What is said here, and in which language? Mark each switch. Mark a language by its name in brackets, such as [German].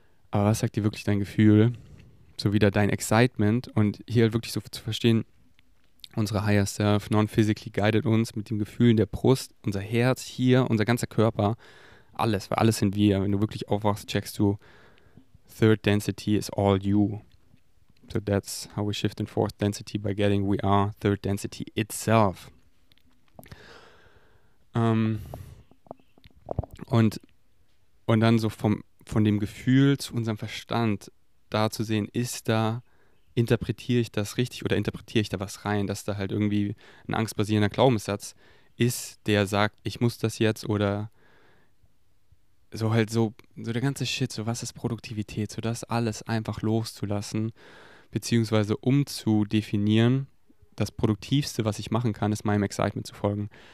[German] Aber was sagt dir wirklich dein Gefühl? So wieder dein Excitement und hier halt wirklich so zu verstehen, unsere Higher Self, [English] non-physically guided [German] uns mit dem Gefühl in der Brust, unser Herz hier, unser ganzer Körper, alles, weil alles sind wir. Wenn du wirklich aufwachst, checkst du, [English] third density is all you. So that's how we shift in fourth density by getting we are third density itself. [German] Und dann so von dem Gefühl zu unserem Verstand da zu sehen, ist da, interpretiere ich das richtig oder interpretiere ich da was rein, dass da halt irgendwie ein angstbasierender Glaubenssatz ist, der sagt, ich muss das jetzt oder so halt so der ganze Shit, so was ist Produktivität, so das alles einfach loszulassen beziehungsweise um zu definieren, das Produktivste, was ich machen kann, ist meinem Excitement zu folgen.